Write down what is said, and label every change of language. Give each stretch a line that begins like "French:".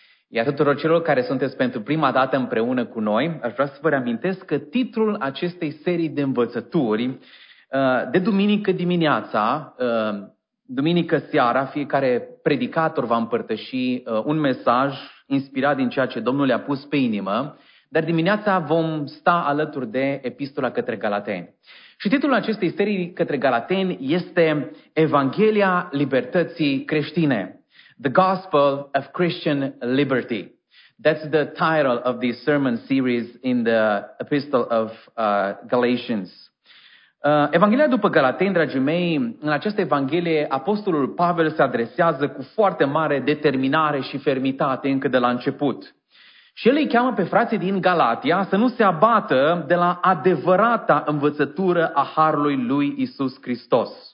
Romanian: Iar tuturor celor care sunteți pentru prima dată împreună cu noi, aș vrea să vă reamintesc că titlul acestei serii de învățături, de duminică dimineața, duminică seara, fiecare predicator va împărtăși un mesaj inspirat din ceea ce Domnul le-a pus pe inimă, dar dimineața vom sta alături de Epistola către Galateni. Și titlul acestei serii către Galateni este Evanghelia Libertății Creștine.
English: The Gospel of Christian Liberty. That's the title of the sermon series in the Epistle of Galatians.
Romanian: Evanghelia după Galateni, dragii mei, în această Evanghelie, Apostolul Pavel se adresează cu foarte mare determinare și fermitate încă de la început. Și el îi cheamă pe frații din Galatia să nu se abată de la adevărata învățătură a Harului lui Iisus Hristos.